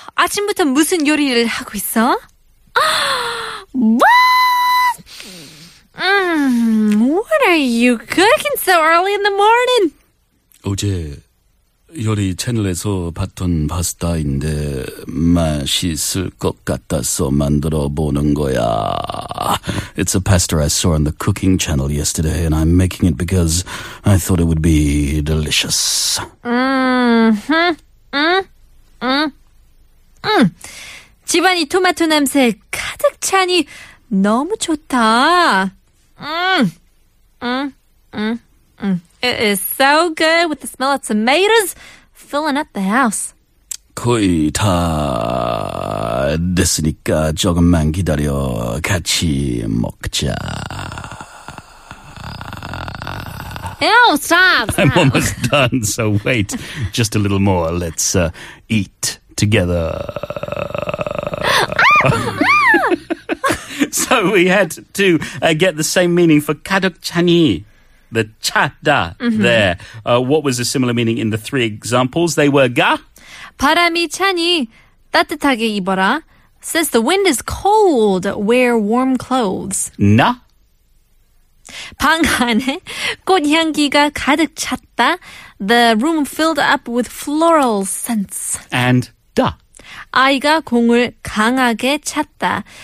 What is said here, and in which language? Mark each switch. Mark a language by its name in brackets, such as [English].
[Korean] 아침부터 무슨 요리를 하고 있어? [English] What? What are you cooking so early in the morning? [Korean] 어제 요리 채널에서 봤던 파스타인데 맛있을 것 같아서 만들어 보는 거야. [English] It's a pasta I saw on the cooking channel yesterday, and I'm making it because I thought it would be delicious. [Korean] Mm. 집안이 토마토 냄새 가득 차니 너무 좋다. [English] It is so good with the smell of tomatoes filling up the house. [Korean] 거의 다 됐으니까 조금만 기다려. 같이 먹자. [English] Ew, stop. I'm almost done, so wait just a little more. Let's eat together. So we had to get the same meaning for kaduk chani, the cha da there. What was a similar meaning in the three examples? They were ga. [Korean] 바람이 차니 따뜻하게 입어라. [English] Since the wind is cold, wear warm clothes. [Korean] 나. 방 안에 꽃향기가 가득 찼다. [English] The room filled up with floral scents. And 다. [Korean] 아이가 공을 강하게 찼다.